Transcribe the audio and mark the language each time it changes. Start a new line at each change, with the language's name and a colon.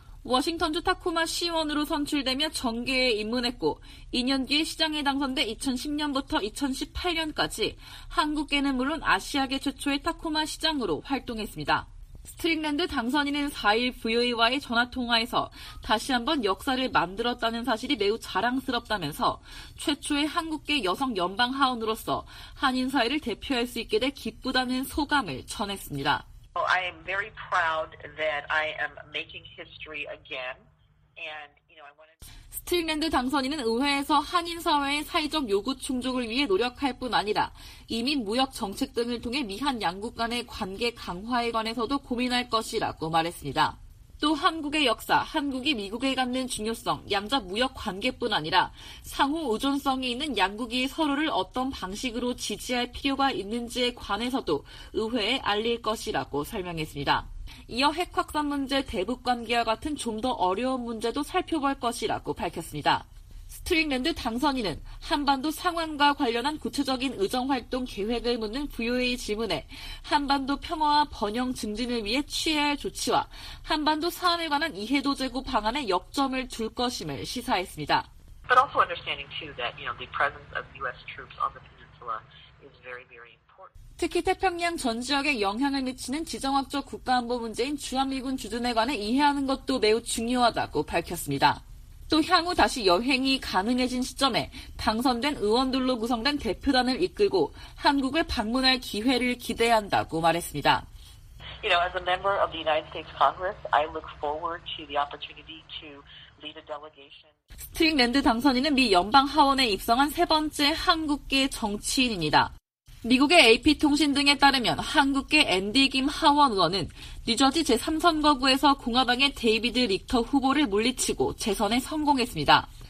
Korean: 워싱턴주 타쿠마 시의원으로 선출되며 정계에 입문했고 2년 뒤에 시장에 당선돼 2010년부터 2018년까지 한국계는 물론 아시아계 최초의 타쿠마 시장으로 활동했습니다. 스트릭랜드 당선인은 4일 VOA와의 전화통화에서 다시 한번 역사를 만들었다는 사실이 매우 자랑스럽다면서 최초의 한국계 여성 연방 하원으로서 한인 사회를 대표할 수 있게 돼 기쁘다는 소감을 전했습니다.
English: I am very proud that I am making history again. And you know, I wanted.
Korean: 스트릭랜드 당선인은 의회에서 한인 사회의 사회적 요구 충족을 위해 노력할 뿐 아니라 이민 무역 정책 등을 통해 미한 양국 간의 관계 강화에 관해서도 고민할 것이라고 말했습니다. 또 한국의 역사, 한국이 미국에 갖는 중요성, 양자 무역 관계뿐 아니라 상호 의존성이 있는 양국이 서로를 어떤 방식으로 지지할 필요가 있는지에 관해서도 의회에 알릴 것이라고 설명했습니다. 이어 핵 확산 문제, 대북 관계와 같은 좀 더 어려운 문제도 살펴볼 것이라고 밝혔습니다. 스트릭랜드 당선인은 한반도 상황과 관련한 구체적인 의정활동 계획을 묻는 VOA 질문에 한반도 평화와 번영 증진을 위해 취해야 할 조치와 한반도 사안에 관한 이해도 제고 방안에 역점을 둘 것임을 시사했습니다.
English: But also understanding too that, you know, the presence of U.S. troops on the peninsula is very, very important.
Korean: 특히 태평양 전 지역에 영향을 미치는 지정학적 국가안보 문제인 주한미군 주둔에 관해 이해하는 것도 매우 중요하다고 밝혔습니다. 또 향후 다시 여행이 가능해진 시점에 당선된 의원들로 구성된 대표단을 이끌고 한국을 방문할 기회를 기대한다고 말했습니다.
English: You know, as a member of the United States Congress, I look forward to the opportunity to lead a delegation.
Korean: 스트릭랜드 당선인은 미 연방 하원에 입성한 세 번째 한국계 정치인입니다. 미국의 AP통신 등에 따르면 한국계 앤디 김 하원 의원은 뉴저지 제3선거구에서 공화당의 데이비드 릭터 후보를 물리치고 재선에 성공했습니다.